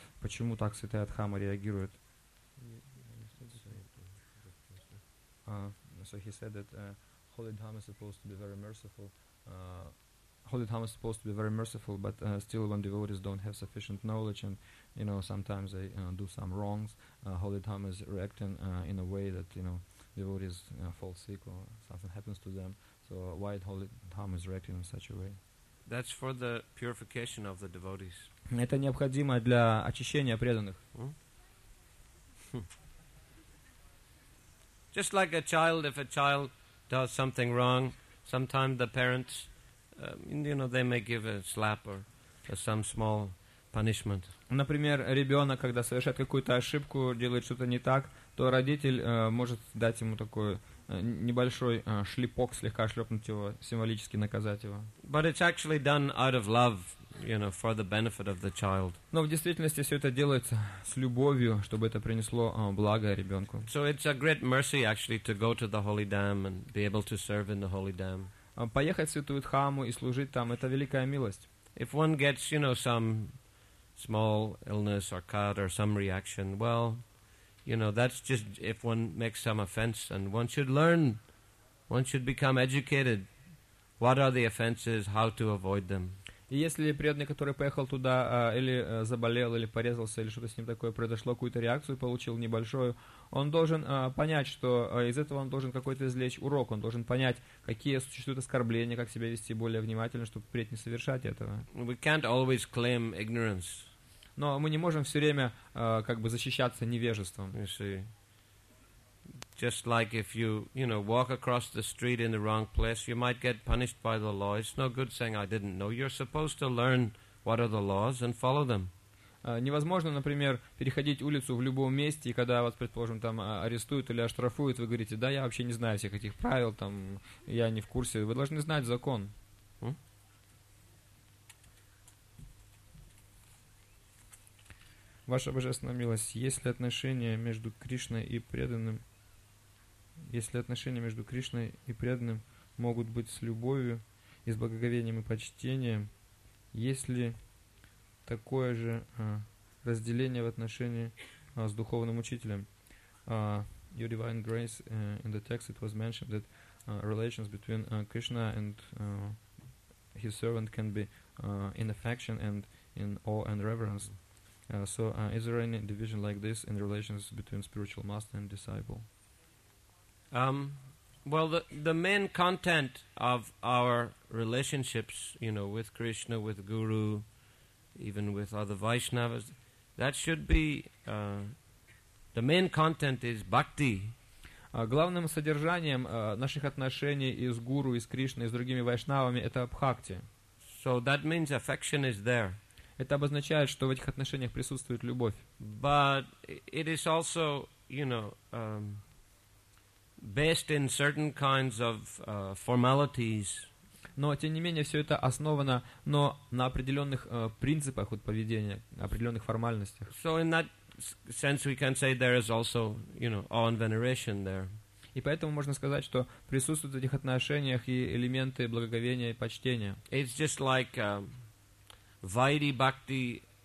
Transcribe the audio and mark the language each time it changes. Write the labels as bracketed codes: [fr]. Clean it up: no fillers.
[ru] Почему так святая Дхамма реагирует? [en] So he said that Holy Dham is supposed to be very merciful. Holy Dham is supposed to be very merciful, but still, when devotees don't have sufficient knowledge, and you know, sometimes they do some wrongs, Holy Dham is reacting in a way that, you know, devotees fall sick or something happens to them. So why Holy Dham is reacting in such a way? That's for the purification of the devotees. [ru] Это необходимо для очищения преданных. [en] Just like a child, if a child does something wrong, sometimes the parents, you know, they may give a slap or some small punishment. [ru] Например, ребенок, когда совершает какую-то ошибку, делает что-то не так, то родитель может дать ему такой небольшой шлепок, слегка шлепнуть его, символически наказать его. [en] But it's actually done out of love, you know, for the benefit of the child. [ru] Но в действительности все это делается с любовью, чтобы это принесло благо ребенку. [en] So it's a great mercy actually to go to the Holy Dam and be able to serve in the Holy Dam. [ru] Поехать в Святую Дхаму и служить там – это великая милость. [en] If one gets, you know, some small illness or cut or some reaction, well, you know, that's just if one makes some offense, and one should learn, one should become educated. What are the offenses? How to avoid them? [ru] И если преданный, который поехал туда, или заболел, или порезался, или что-то с ним такое произошло, какую-то реакцию получил небольшую, он должен понять, что из этого он должен какой-то извлечь урок, он должен понять, какие существуют оскорбления, как себя вести более внимательно, чтобы впредь не совершать этого. [en] We can't always claim ignorance. [ru] Но мы не можем все время как бы защищаться невежеством. [en] You see, just like if you, you know, walk across the street in the wrong place, you might get punished by the law. It's no good saying I didn't know. You're supposed to learn what are the laws and follow them. [ru] Невозможно, например, переходить улицу в любом месте, и когда вас, предположим, там арестуют или оштрафуют, вы говорите, да, я вообще не знаю всех этих правил, там, я не в курсе. Вы должны знать закон. Ваша Божественная Милость, есть ли отношение между Кришной и преданным? Есть ли отношения между Кришной и преданным могут быть с любовью и с благоговением и почтением? Есть ли такое же разделение в отношении с духовным учителем? [en] Your Divine Grace, in the text it was mentioned that relations between Krishna and his servant can be in affection and in awe and reverence. So is there any division like this in relations between spiritual master and disciple? Well, the main content of our relationships, you know, with Krishna, with Guru, even with other Vaishnavas, that should be, the main content is bhakti. [ru] Главным содержанием наших отношений и с Гуру, и с Кришной, и с другими Вайшнавами – это бхакти. [en] So that means affection is there. [ru] Это обозначает, что в этих отношениях присутствует любовь. [en] But it is also, you know, based in certain kinds of formalities. [ru] Но тем не менее все это основано, но на определенных принципах вот поведения, определенных формальностях. [en] So in that sense we can say there is also, you know, awe and veneration there. [ru] И поэтому можно сказать, что присутствуют в этих отношениях и элементы благоговения и почтения. [en] It's just like vaidhi bhakti.